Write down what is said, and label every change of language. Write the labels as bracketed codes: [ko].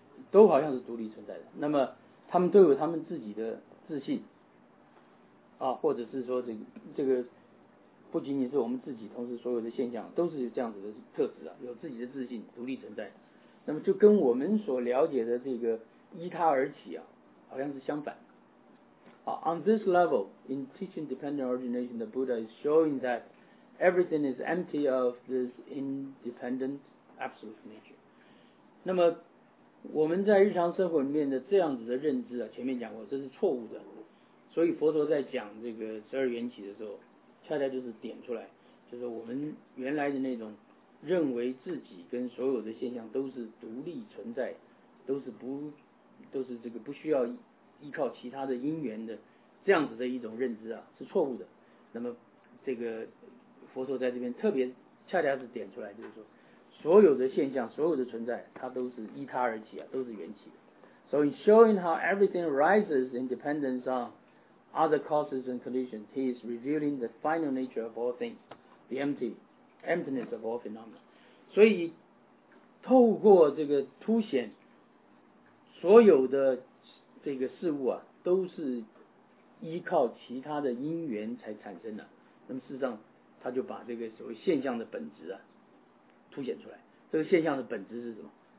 [zh] 都好像是独立存在的，那么他们都有他们自己的自信啊，或者是说这个不仅仅是我们自己，同时所有的现象都是有这样子的特质啊，有自己的自信，独立存在，那么就跟我们所了解的这个依他而起啊好像是相反啊。 [en] On this level, in teaching dependent origination, the Buddha is showing that everything is empty of this independent absolute nature. [zh] 那么我们在日常生活里面的这样子的认知啊，前面讲过这是错误的，所以佛陀在讲这个十二缘起的时候，恰恰就是点出来，就是我们原来的那种认为自己跟所有的现象都是独立存在，都是这个不需要依靠其他的因缘的这样子的一种认知啊，是错误的。那么这个佛陀在这边特别恰恰是点出来，就是说所有的现象，所有的存在，它都是依他而起啊，都是缘起的。 [en] So in showing how everything arises in dependence on other causes and conditions, he is revealing the final nature of all things, the emptiness of all phenomena. [zh] 所以透过这个凸显，所有的这个事物啊，都是依靠其他的因缘才产生的。那么事实上，他就把这个所谓现象的本质啊凸显出来，这个现象的本质是什么？